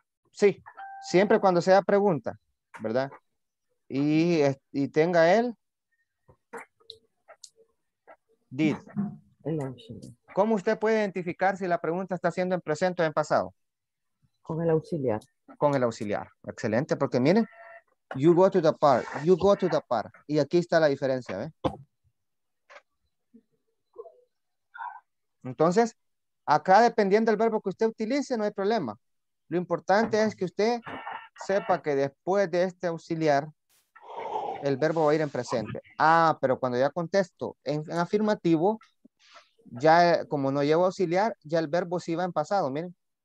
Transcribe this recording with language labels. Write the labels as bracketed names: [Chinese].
[Spanish] Sí, siempre cuando sea pregunta, ¿verdad? Y tenga él. [English] Did. [Spanish] ¿Cómo usted puede identificar si la pregunta está siendo en presente o en pasado? Con el auxiliar. Con el auxiliar. Excelente, porque miren, [English] you go to the park, you go to the park. [Spanish] Y aquí está la diferencia, ¿eh? Entonces, acá dependiendo del verbo que usted utilice, no hay problema. Lo importante es que usted sepa que después de este auxiliar, el verbo va a ir en presente. Ah, pero cuando ya contesto en afirmativo, ya como no llevo auxiliar, ya el verbo sí va en pasado, miren.